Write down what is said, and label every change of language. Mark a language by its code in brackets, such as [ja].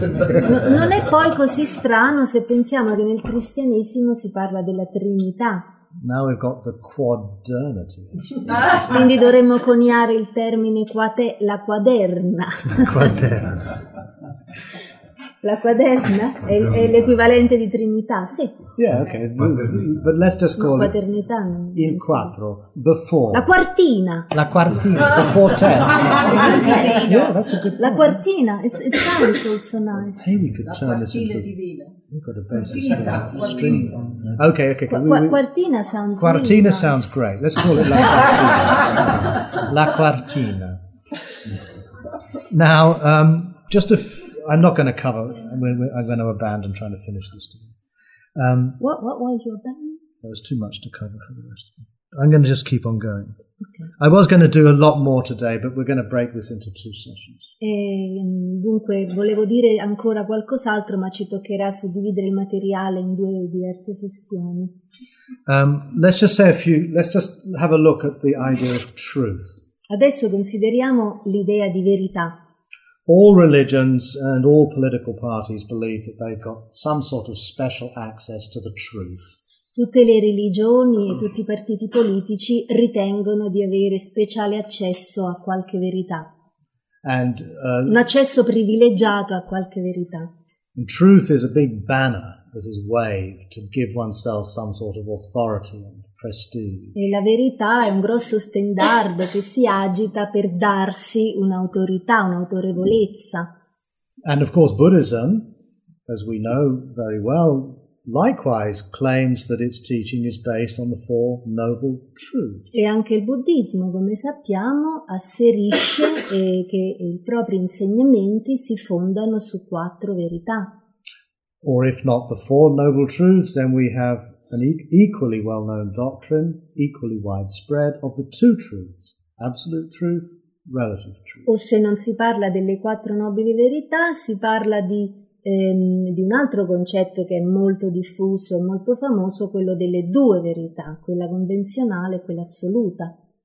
[it] Non è poi così strano se pensiamo che nel cristianesimo si parla della Trinità. [en] Now we've got the quadernity. [it] Quindi dovremmo coniare il termine la quaderna. La quaderna è l'equivalente di Trinità, sì. [en] Yeah, okay. But let's just call [it] quaternità, [en] it [it] il quattro, [en] the four. [it] La quartina, [en] the quartet. [it] La quartina, [en] it sounds also nice. Hey, we could turn this into... [it] Divina. [en] We could have based this on a string. Okay. Quartina sounds great. Quartina really sounds nice. Great. Let's call it la quartina. La quartina. Now, I'm not going to cover. I'm going to abandon trying to finish this today. What was your abandon? There was too much to cover for the rest of it. I'm going to just keep on going. Okay. I was going to do a lot more today, but we're going to break this into two sessions. [it] Dunque, volevo dire ancora qualcos'altro, ma ci toccherà suddividere il materiale in due diverse sessioni. [en] Let's just have a look at the idea of truth. [it] Adesso consideriamo l'idea di verità. [en] All religions and all political parties believe that they've got some sort of special access to the truth. [it] Tutte le religioni e tutti i partiti politici ritengono di avere speciale accesso a qualche verità. [en] And [it] un accesso privilegiato a qualche verità. [en] And truth is a big banner that is waved to give oneself some sort of authority and prestige. [it] E la verità è un grosso stendardo che si agita per darsi un'autorità, un'autorevolezza. [en] And of course Buddhism, as we know very well, likewise claims that its teaching is based on the four noble truths. [it] E anche il buddismo, come sappiamo, asserisce che i propri insegnamenti si fondano su quattro verità. [en] Or if not the four noble truths, then we have an equally well-known doctrine, equally widespread, of the two truths, absolute truth, relative truth. [it] O se non si parla delle quattro nobili verità, si parla di un altro concetto che è molto diffuso e molto famoso, quello delle due verità, quella convenzionale e quella assoluta.